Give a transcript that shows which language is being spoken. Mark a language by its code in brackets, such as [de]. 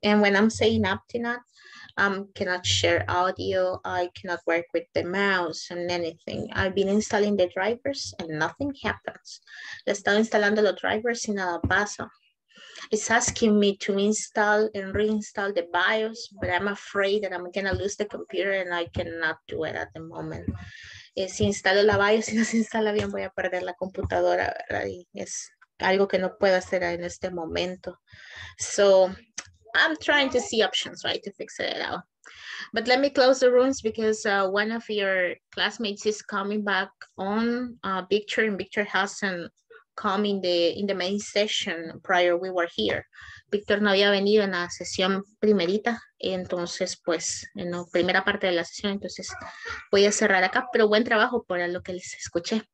[en] And when I'm saying acting up, cannot share audio, I cannot work with the mouse and anything. I've been installing the drivers and nothing happens. [es] Le estaba instalando los drivers y nada pasa. [en] It's asking me to install and reinstall the BIOS, but I'm afraid that I'm gonna lose the computer and I cannot do it at the moment. [es] Si instalo la BIOS y no se instala bien, voy a perder la computadora, ¿verdad? Y es algo que no puedo hacer en este momento. [en] So, I'm trying to see options, right, to fix it out. But let me close the rooms because one of your classmates is coming back on Victor, and Victor hasn't come in the main session prior we were here. [es] Victor no había venido en la sesión primerita, entonces pues en la primera parte de la sesión, entonces voy a cerrar acá, pero buen trabajo por lo que les escuché.